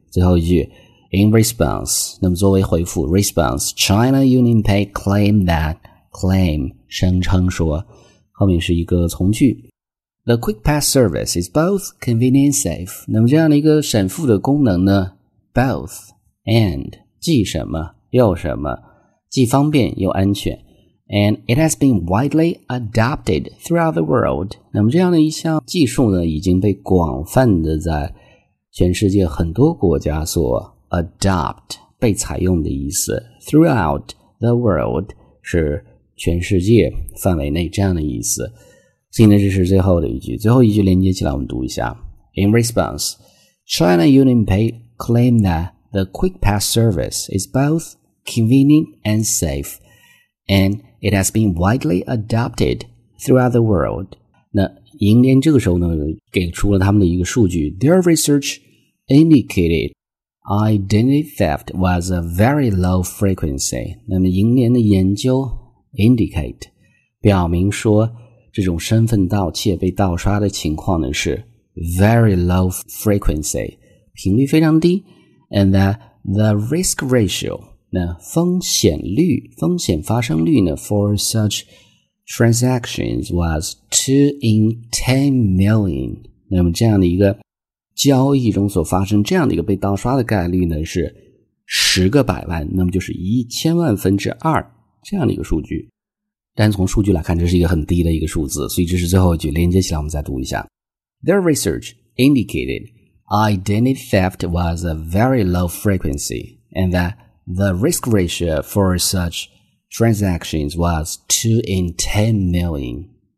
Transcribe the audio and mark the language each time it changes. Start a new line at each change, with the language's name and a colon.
Chinese: 最后一句 ,
English: in response,
Chinese: 那么作为回复 ,response, China UnionPay claim 声称说，后面是一个从句。
English: The QuickPass service is both convenient and safe.
Chinese: 那么这样的一个闪付的功能呢，Both and 既什么又什么，既方便又安全。
English: And it has been widely adopted throughout the world.
Chinese: 那么这样的一项技术呢，已经被广泛的在全世界很多国家所 adopt 被采用的意思。
English: Throughout the world
Chinese: 是全世界范围内这样的意思。今天这是最后的一句，最后一句连接起来我们读一下。
English: In response, China UnionPay claimed that the QuickPass service is both convenient and safe, and it has been widely adopted throughout the world.
Chinese: 那银联这个时候呢，给出了他们的一个数据。
English: Their research indicated identity theft was a very low frequency.
Chinese: 那么银联的研究 indicate 表明说这种身份盗窃被盗刷的情况呢是
English: very low frequency,
Chinese: 频率非常低
English: and that the risk ratio,
Chinese: 那风险率风险发生率呢
English: for such transactions was 2 in 10 million,
Chinese: 那么这样的一个交易中所发生这样的一个被盗刷的概率呢是10个百万，那么就是1000万分之2这样的一个数据。但从数据来看，这是一个很低的一个数字，所以这是最后一句，连接起来我们再读一下。
English: Their research indicated identity theft was a very low frequency and that the risk ratio for such transactions was 2 in 10 million.